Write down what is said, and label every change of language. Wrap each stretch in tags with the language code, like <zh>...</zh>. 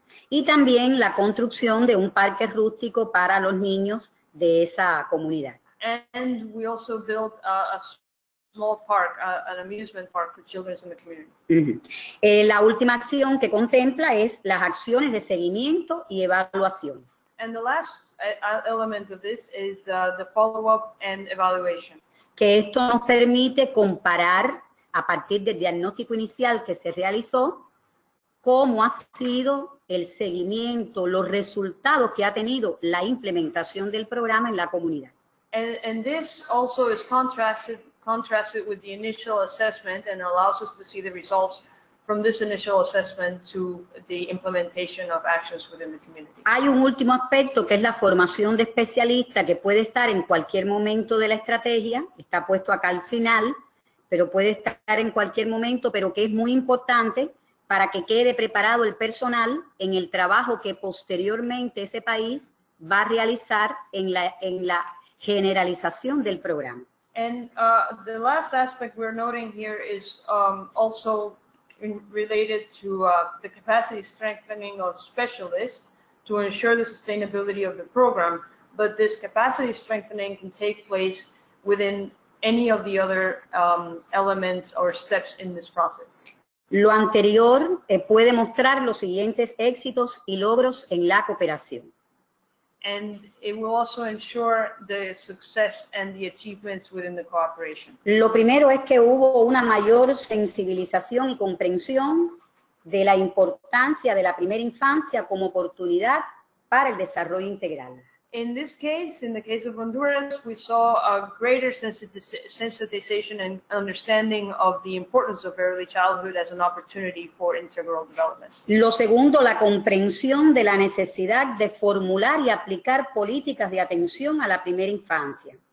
<es>Y también la construcción de un parque rústico para los niños de esa comunidad.</es> <en>And we also built a small park, an amusement park for children in the community.</en> <es>La última acción que contempla es las acciones de seguimiento y evaluación.</es> <en>And the last element of this is the follow-up and evaluation.</en> <es>Que esto nos permite comparar a partir del diagnóstico inicial que se realizó cómo ha sido el seguimiento, los resultados que ha tenido la implementación del programa en la comunidad.</es> <en>And this also is contrasted with the initial assessment and allows us to see the results from this initial assessment to the implementation of actions within the community.</en> <es>Hay un último aspecto que es la formación de especialista que puede estar en cualquier momento de la estrategia, está puesto acá al final, pero puede estar en cualquier momento, pero que es muy importante para que quede preparado el personal en el trabajo que posteriormente ese país va a realizar en la generalización del programa.</es> <en>And the last aspect we're noting here is also related to the capacity strengthening of specialists to ensure the sustainability of the program. But this capacity strengthening can take place within any of the other elements or steps in this process.</en> <es>Lo anterior puede mostrar los siguientes éxitos y logros en la cooperación.</es> <en>And it will also ensure the success and the achievements within the cooperation.</en> <es>Lo primero es que hubo una mayor sensibilización y comprensión de la importancia de la primera infancia como oportunidad para el desarrollo integral.</es> <en>In this case, in the case of Honduras, we saw a greater sensitization and understanding of the importance of early childhood as an opportunity for integral development.</en> <es>Lo segundo, la comprensión de la necesidad de formular y aplicar políticas de atención a la primera infancia.</es>